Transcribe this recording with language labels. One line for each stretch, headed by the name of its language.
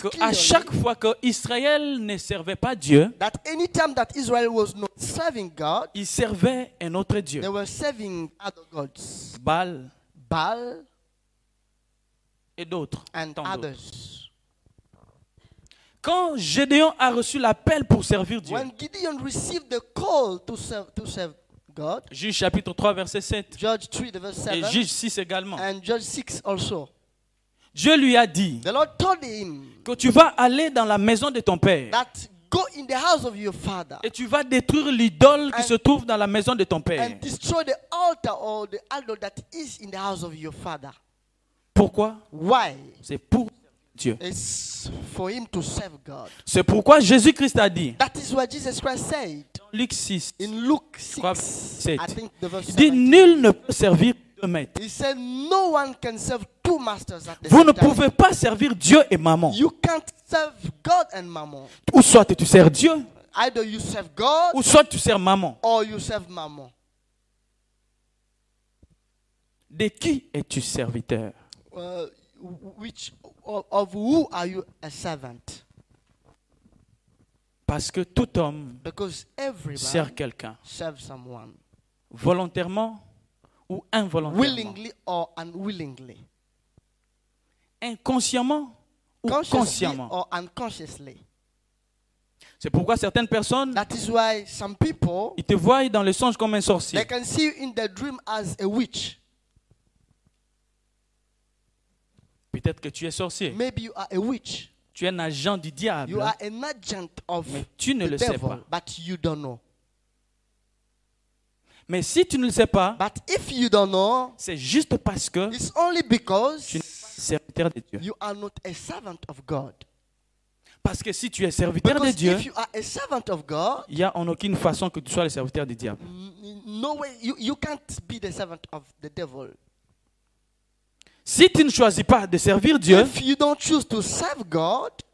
French: que à chaque fois que Israël ne servait pas Dieu,
English: that any time that Israel was not serving God,
French: ils servaient un autre Dieu.
English: They were serving other gods.
French: Baal.
English: Baal.
French: Et d'autres.
English: And
French: tant
English: others.
French: D'autres. Quand Gédéon a reçu l'appel pour servir Dieu,
English: when Gideon received the call to serve God,
French: Juge chapitre 3 verset 7,
English: Judge 3, the verse 7
French: et Juge 6 également.
English: And Judge 6 also.
French: Dieu lui a dit
English: the Lord told him
French: que tu vas aller dans la maison de ton père
English: that go in the house of your father
French: et tu vas détruire l'idole qui se trouve dans la maison de ton père.
English: And destroy the altar or the idol that is in the house of your father.
French: Pourquoi?
English: Why?
French: C'est pour Dieu.
English: It's for him to serve God.
French: C'est pourquoi Jésus-Christ a dit.
English: That is what Jesus Christ said.
French: Luc 6.
English: In Luke 6, 7, I think the verse 7.
French: Il dit nul ne peut servir deux maîtres.
English: He said no one can serve two masters at the
French: vous
English: same
French: ne pouvez
English: time.
French: Pas servir Dieu et maman.
English: You can't serve God and mammon.
French: Ou soit tu sers Dieu.
English: Either you serve God.
French: Ou soit tu sers maman.
English: Or you serve mammon.
French: De qui es-tu serviteur?
English: Which of who are you a servant?
French: Parce que tout homme
English: because everybody
French: sert quelqu'un
English: serves someone
French: volontairement ou involontairement
English: willingly or unwillingly
French: inconsciemment ou
English: consciously
French: consciemment
English: or unconsciously
French: C'est pourquoi certaines personnes,
English: that is why some people,
French: ils te voient dans les songes comme un sorcier.
English: They can see you in the dream as a witch.
French: Peut-être que tu es sorcier.
English: Maybe you are a witch.
French: Tu es un agent du diable.
English: You are an agent of
French: mais tu ne
English: the
French: le
English: devil,
French: sais pas.
English: But you don't know.
French: Mais si tu ne le sais pas,
English: but if you don't know,
French: c'est juste parce que
English: it's only because
French: tu n'es pas serviteur de Dieu.
English: You are not a servant of God.
French: Parce que si tu es serviteur de Dieu,
English: if you are a servant of God,
French: il n'y a en aucune façon que tu sois le serviteur du diable.
English: No way, you can't be the servant of the devil.
French: Si tu ne choisis pas de servir Dieu,
English: if you don't choose to serve God,